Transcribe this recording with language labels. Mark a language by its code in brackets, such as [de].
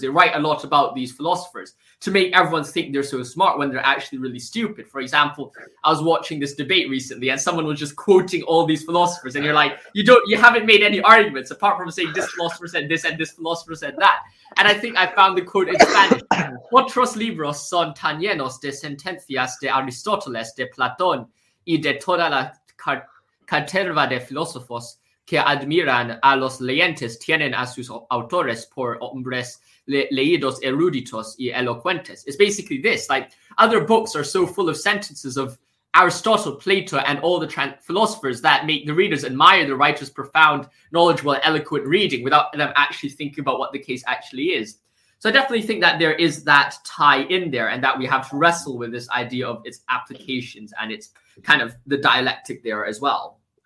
[en] They write a lot about these philosophers to make everyone think they're so smart when they're actually really stupid. For example, I was watching this debate recently and someone was just quoting all these philosophers and you're like, you haven't made any arguments apart from saying this philosopher said this and this philosopher said that. And I think I found the quote in Spanish. [es] Otros libros son tan llenos de sentencias de Aristóteles, de Platón y de toda la caterva de filósofos que admiran a los leyentes tienen a sus autores por hombres leídos eruditos y elocuentes. [en] It's basically this, like, other books are so full of sentences of Aristotle, Plato, and all the philosophers that make the readers admire the writer's profound, knowledgeable, eloquent reading without them actually thinking about what the case actually is. So I definitely think that there is that tie in there and that we have to wrestle with this idea of its applications and its kind of the dialectic there as well.